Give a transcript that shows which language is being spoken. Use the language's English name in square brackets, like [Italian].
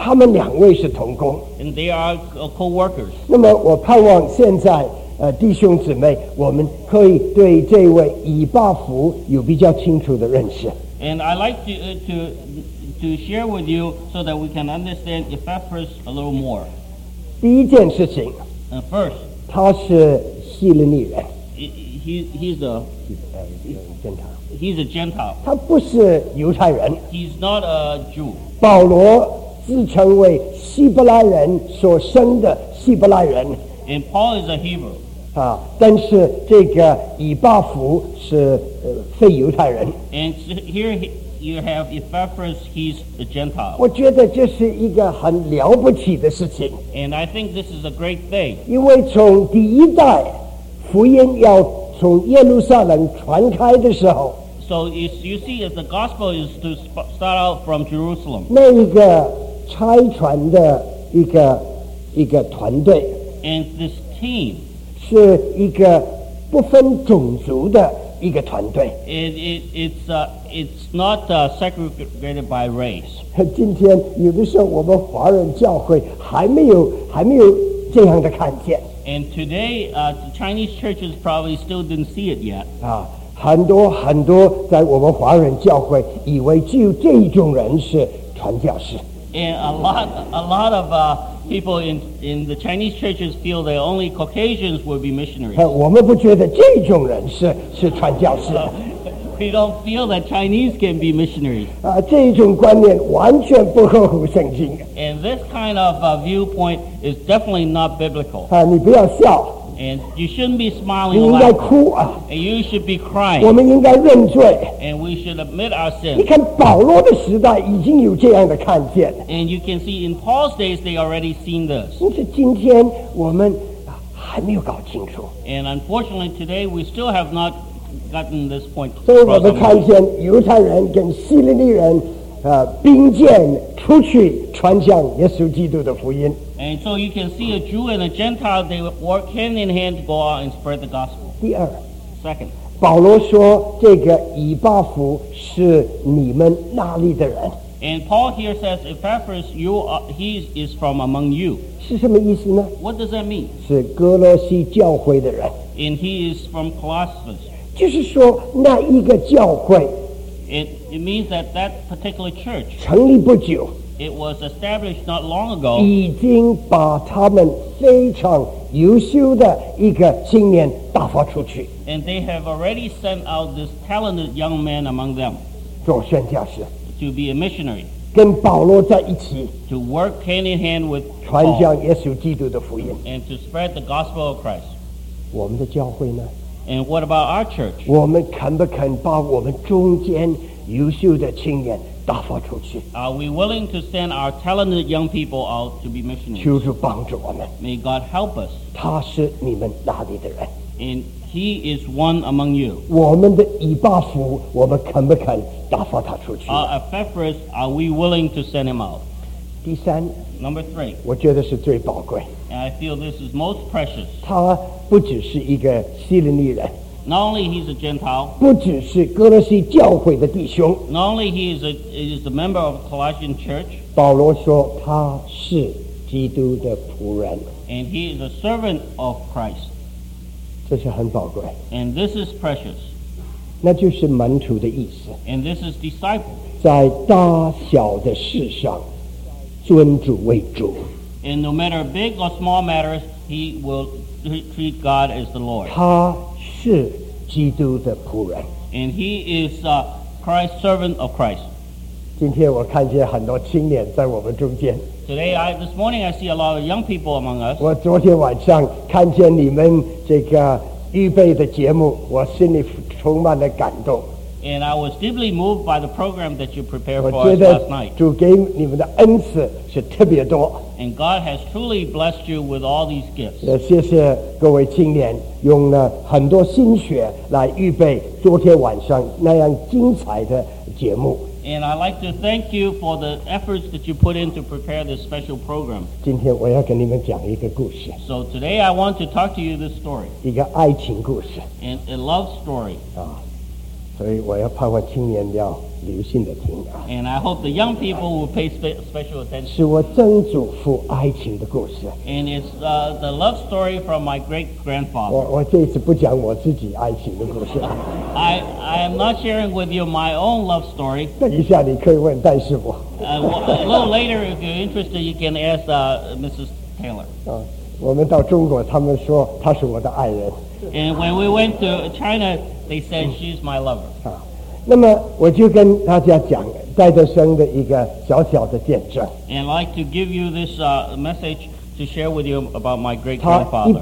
[Chinese] 他们两位是同工。 [English] And they are co-workers. [Chinese] 那么我盼望现在弟兄姊妹，我们可以对这位以巴弗有比较清楚的认识。 [English] And I'd like to share with you so that we can understand Epaphras a little more. [Chinese] 第一件事情 [English] And first, [Chinese] 他是希律尼人。 [English] He's a Gentile. [Chinese] 他不是犹太人。 [English] He's not a Jew. [Chinese] 保罗自称为希伯来人所生的希伯来人。 [English] And Paul is a Hebrew. [Chinese] 但是这个以巴弗是非犹太人。 [English] And here you have Epaphras, he's a Gentile. [Chinese] 我觉得这是一个很了不起的事情。 [English] And I think this is a great thing. [Chinese] 因为从第一代福音要从耶路撒冷传开的时候。 [English] So you see, if the gospel is to start out from Jerusalem. [Chinese] 那一个差传的一个团队。 [English] And this team. [Chinese] 是一个不分种族的一个团队。 [English] It's not segregated by race. [Chinese] 今天有的时候我们华人教会还没有这样的看见。 [English] And today, the Chinese churches probably still didn't see it yet. [Chinese] 很多很多在我们华人教会以为只有这一种人是传教士。 [English] And a lot of people in the Chinese churches feel that only Caucasians would be missionaries. [Chinese] 我们不觉得这种人是传教士。 [English] We don't feel that Chinese can be missionaries. [Chinese] 这种观念完全不合乎圣经。 [English] And this kind of viewpoint is definitely not biblical. [Chinese] 你不要笑。 [English] And you shouldn't be smiling. [Chinese] 你应该哭啊。 [English] And you should be crying. [Chinese] 我们应该认罪。 [English] And we should admit our sins. [Chinese] 你看保罗的时代已经有这样的看见。 [English] And you can see in Paul's days they already seen this. [Chinese] 但是今天我们还没有搞清楚。 [English] And unfortunately today we still have not gotten this point. [Chinese] 所以我们看见犹太人跟希律尼人并肩出去传讲耶稣基督的福音。 [English] And so you can see a Jew and a Gentile, they work hand in hand to go out and spread the gospel. [Chinese] 第二 [English] Second, [Chinese] 保罗说这个以巴弗是你们那里的人。 [English] And Paul here says, Epaphras, he is from among you. [Chinese] 是什么意思呢？ [English] What does that mean? [Chinese] 是哥罗西教会的人。 [English] And he is from Colossus. [Chinese] 就是说那一个教会。 [English] It means that that particular church. [Chinese] 成立不久。 [English] It was established not long ago. [Chinese] 已经把他们非常优秀的一个青年打发出去。 [English] And they have already sent out this talented young man among them. [Chinese] 做宣教士。 [English] To be a missionary. [Chinese] 跟保罗在一起。 [English] To work hand in hand with [Chinese] Paul. 传讲耶稣基督的福音。 [English] And to spread the gospel of Christ. [Chinese] 我们的教会呢？ [English] And what about our church? [Chinese] 我们肯不肯把我们中间优秀的青年打发出去。 [English] Are we willing to send our talented young people out to be missionaries? [Chinese] 求主帮助我们。 [English] May God help us. [Chinese] 他是你们哪里的人？ [English] And he is one among you. [Chinese] 我们的以巴弗，我们肯不肯打发他出去？ [English] Epaphras, are we willing to send him out? [Chinese] 第三 [English] Number three. [Chinese] 我觉得是最宝贵。 [English] And I feel this is most precious. [Chinese] 他不只是一个希律尼人。 [English] Not only he's a Gentile. [Chinese] 不只是哥罗西教会的弟兄。 [English] Not only he is a member of the Colossian church. [Chinese] 保罗说他是基督的仆人。 [English] And he is a servant of Christ. [Chinese] 这是很宝贵。 [English] And this is precious. [Chinese] 那就是门徒的意思。 [English] And this is disciple. [Chinese] 在大小的事上尊主为主。 [English] And no matter big or small matters, he will treat God as the Lord. [Chinese] 他是基督的仆人。 [English] And he is Christ's servant of Christ. [Chinese] 今天我看见很多青年在我们中间。 [English] Today, this morning, I see a lot of young people among us. [Chinese] 我昨天晚上看见你们这个预备的节目，我心里充满了感动。 [English] And I was deeply moved by the program that you prepared for us last night. [Chinese] 主给你们的恩赐是特别多。 [English] And God has truly blessed you with all these gifts. [Chinese] 谢谢各位青年用了很多心血来预备昨天晚上那样精彩的节目。 [English] And I'd like to thank you for the efforts that you put in to prepare this special program. [Chinese] 今天我要跟你们讲一个故事。 [English] So today I want to talk to you this story. [Chinese] 一个爱情故事。 [English] And a love story. [Chinese] 所以我要盼望青年要留心的听啊。 [English] And I hope the young people will pay special attention. [Chinese] 是我曾祖父爱情的故事。 [English] And it's the love story from my great grandfather. [Chinese] 我这次不讲我自己爱情的故事。 [English] I am not sharing with you my own love story. [Chinese] 等一下你可以问戴师傅。 [English] A little later, if you're interested, you can ask Mrs. Taylor. [Chinese] 我们到中国，他们说她是我的爱人。 [English] And when we went to China, they said she's my lover. [Chinese] 那么我就跟大家讲戴德生的一个小小的见证。 [English] And I'd like to give you this message to share with you about my great grandfather.